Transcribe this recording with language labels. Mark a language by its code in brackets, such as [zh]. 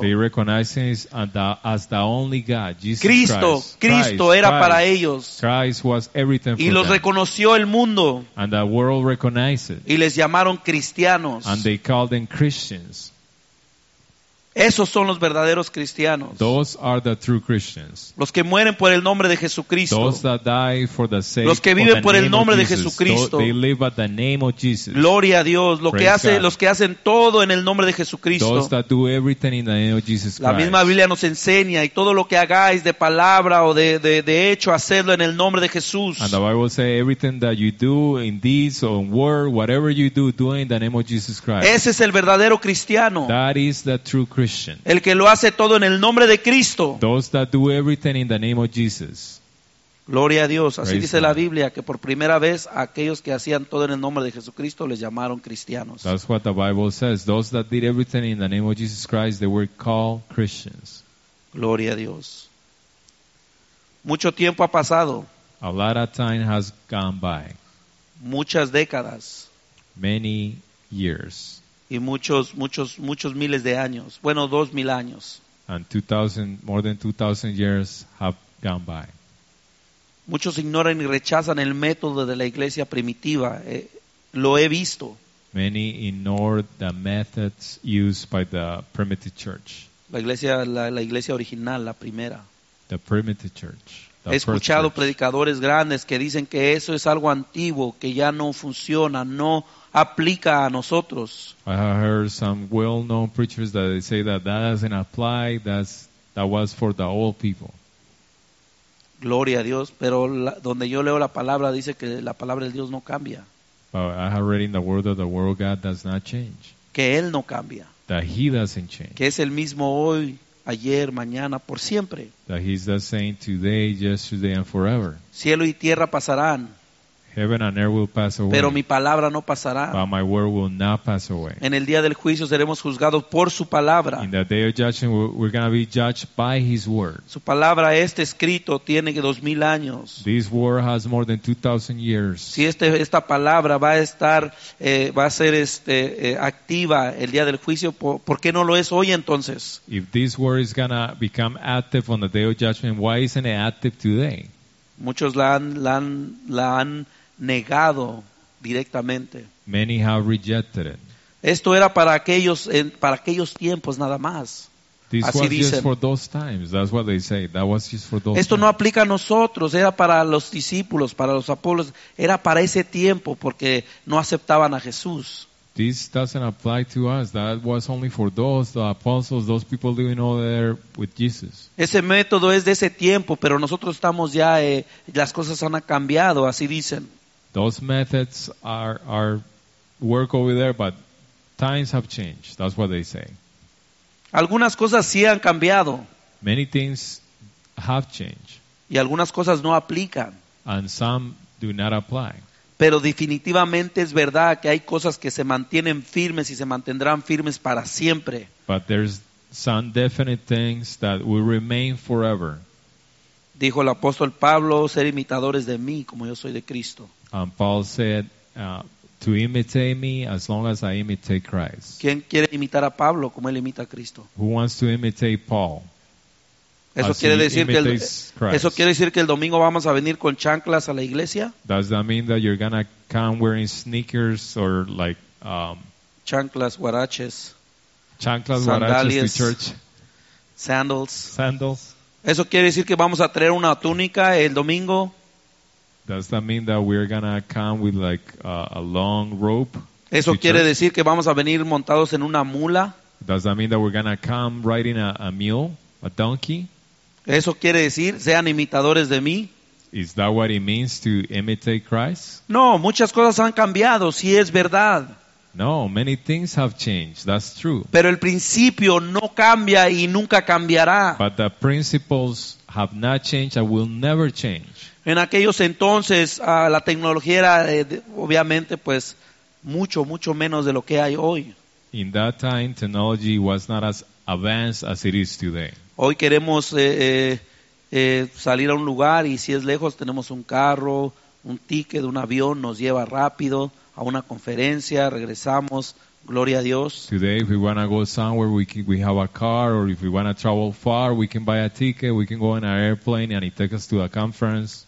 [en] They recognize as the only God, Jesus Christ. [es] Cristo, Cristo era para ellos. [en] Christ was everything for them. [es] Y los reconoció el mundo. [en] And the world recognized it. [es] Y les llamaron cristianos. [en] And they called them Christians. [es] Esos son los verdaderos cristianos. [en] Those are the true Christians. [es] Los que mueren por el nombre de Jesucristo. [en] Those that die for the sake [es] los que viven por el nombre de Jesucristo. [en] They live by the name of Jesus. [es] Gloria a Dios. Lo que hace, los que hacen todo en el nombre de Jesucristo. [en] Those that do everything in the name of Jesus Christ. [es] La misma Biblia nos enseña y todo lo que hagáis de palabra o de hecho, hacedlo en el nombre de Jesús. [en] And the Bible says everything that you do in deeds or in word, whatever you do, do it in the name of Jesus Christ. [es] Ese es el verdadero cristiano. [en] That is the true Christian. [es] El que lo hace todo en el nombre de Cristo. [en] Those that do everything in the name of Jesus. [es] Gloria a Dios. Así dice la Biblia, que por primera vez aquellos que hacían todo en el nombre de Jesucristo les llamaron cristianos. [en] That's what the Bible says. Those that did everything in the name of Jesus Christ, they were called Christians. [es] Gloria a Dios. Mucho tiempo ha pasado. [en] A lot of time has gone by. [es] Muchas décadas. [en] Many years. [es] Y muchos miles de años. Bueno, 2,000 años. [en] And 2,000, more than 2,000 years have gone by. [es] Muchos ignoran y rechazan el método de la iglesia primitiva. Lo he visto. [en] Many ignore the methods used by the primitive church. [es] La iglesia original, la primera. [en] The primitive church. [es] He escuchado predicadores grandes que dicen que eso es algo antiguo, que ya no funciona, no aplica a nosotros. [en] I have heard some well-known preachers that they say that doesn't apply, that was for the old people. [es] Gloria a Dios, pero donde yo leo la palabra dice que la palabra de Dios no cambia. [en] But I have read in the word that the word of God does not change. [es] Que Él no cambia. [en] That He doesn't change. [es] Que es el mismo hoy, ayer, mañana, por siempre. [en] That He's the same today, yesterday, and forever. [es] Cielo y tierra pasarán. [en] Heaven and earth will pass away. [es] Pero mi palabra no pasará. [en] But my word will not pass away. [es] En el día del juicio seremos juzgados por su palabra. [en] In the day of judgment, we're going to be judged by His word. [es] Su palabra, este escrito, tiene 2,000 años. [en] This word has more than 2,000 years. [es] Si esta palabra va a estar, va a ser activa el día del juicio, ¿por qué no lo es hoy entonces? [en] If this word is going to become active on the day of judgment, why isn't it active today? [es] Muchos la han negado directamente. [en] Many have rejected it. [es] Esto era para aquellos tiempos nada más. [en] This [es] así [en] was [es] dicen. [en] Just for those times. That's what they say. That was just for those. [es] Esto [en] times. [es] No aplica a nosotros. Era para los discípulos, para los apóstoles. Era para ese tiempo porque no aceptaban a Jesús. [en] This doesn't apply to us. That was only for those, the apostles, those people living over there with Jesus. [es] Ese método es de ese tiempo, pero nosotros estamos ya, las cosas han cambiado, así dicen. [en] Those methods are work over there, but times have changed. That's what they say. [es] Algunas cosas sí han cambiado. [en] Many things have changed. [es] Y algunas cosas no aplican. [en] And some do not apply. [es] Pero definitivamente es verdad que hay cosas que se mantienen firmes y se mantendrán firmes para siempre. [en] But there's some definite things that will remain forever. [es] Dijo el apóstol Pablo, ser imitadores de mí como yo soy de Cristo. [en] And Paul said, to imitate me as long as I imitate Christ. [es] ¿Quién quiere imitar a Pablo como él imita a Cristo? [en] Who wants to imitate Paul? [es] Eso quiere decir que el domingo vamos a venir con chanclas a la iglesia. [en] Does that mean that you're gonna come wearing sneakers or like [es] chanclas, huaraches, [en] chanclas, huaraches to church? Sandals. [es] Eso quiere decir que vamos a traer una túnica el domingo. [en] Does that mean that we're gonna come with like a long robe? [es] Eso quiere decir que vamos a venir montados en una mula. [en] Does that mean that we're gonna come riding a mule, a donkey? [es] Eso quiere decir, sean imitadores de mí. [en] is that what it means to imitate Christ? [es] No, muchas cosas han cambiado, sí es verdad. [en] No, many things have changed. That's true. [es] Pero el principio no cambia y nunca cambiará. [en] But the principles have not changed and will never change. [es] En aquellos entonces, la tecnología era obviamente pues mucho menos de lo que hay hoy. [en] In that time, technology was not as advanced as it is today. [es] Hoy queremos salir a un lugar y si es lejos tenemos un carro, un ticket, un avión nos lleva rápido a una conferencia, regresamos, gloria a Dios. [en] Today, if we want to go somewhere, we have a car, or if we want to travel far, we can buy a ticket, we can go in an airplane, and it takes us to a conference.